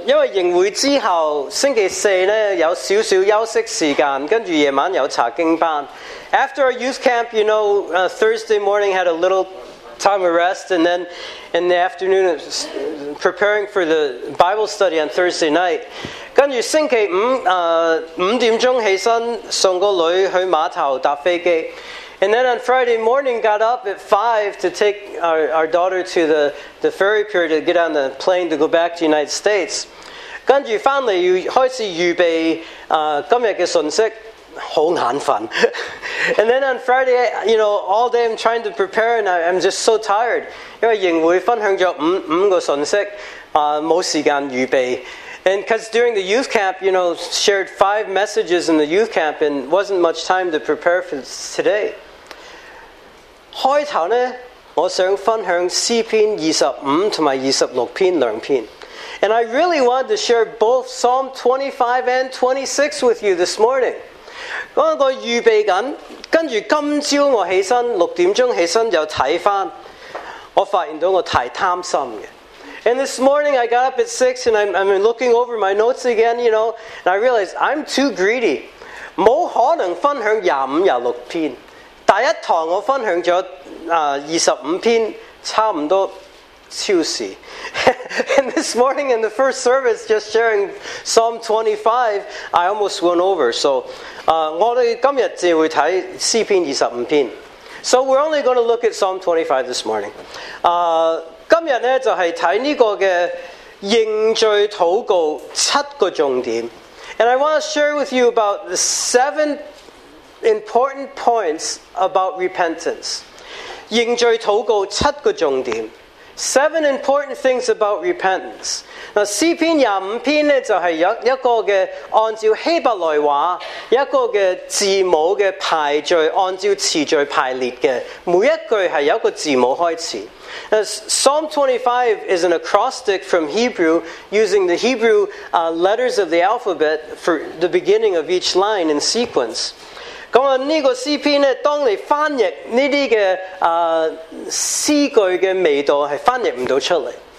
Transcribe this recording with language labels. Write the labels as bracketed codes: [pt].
[yue] 因为营会之后星期四咧有少少休息时间，跟住夜晚有查经班。 [en] After our youth camp, you know, Thursday morning had a little time of rest, and then in the afternoon preparing for the Bible study on Thursday night. [yue] 跟住星期五，五點鐘起身送個女去碼頭搭飛機。 [en] And then on Friday morning, got up at 5 to take our daughter to the ferry pier to get on the plane to go back to the United States. [yue] 跟住翻嚟開始預備今日嘅信息，好眼瞓。 [en] And then on Friday, you know, all day I'm trying to prepare and I'm just so tired. [yue] 因為營會分享咗五個信息，冇時間預備。 [en] And because during the youth camp, you know, shared 5 messages in the youth camp and wasn't much time to prepare for today. [yue] 開頭呢，我想分享詩篇25同埋26篇兩篇。 [en] And I really wanted to share both Psalm 25 and 26 with you this morning. [yue] 我個預備緊，跟住今朝我起身，六點鐘起身就睇翻，我發現到我太貪心嘅。 [en] And this morning I got up at 6 and I'm looking over my notes again, you know, and I realized I'm too greedy. [yue] 冇可能分享25、26篇。第一堂我分享咗25篇，差唔多超時。 [en] And this morning in the first service, just sharing Psalm 25, I almost went over. So, [yue] 我哋今日只會睇詩篇25篇。 [en] So we're only going to look at Psalm 25 this morning. [yue] 今日咧就系睇呢个嘅认罪祷告七个重点 [en] ，and I want to share with you about the 7 important points about repentance. [yue] 认罪祷告七个重点 [en] ，7 important things about repentance. [yue] 嗱，诗篇廿五篇咧就系一个嘅按照希伯来话一个嘅字母嘅排序，按照次序排列嘅，每一句系有一个字母开始。 [en] Now, Psalm 25 is an acrostic from Hebrew, using the Hebrew letters of the alphabet for the beginning of each line in sequence. [yue] 咁啊，呢個詩篇咧，當你翻譯呢啲嘅詩句嘅味道係翻譯唔到出嚟。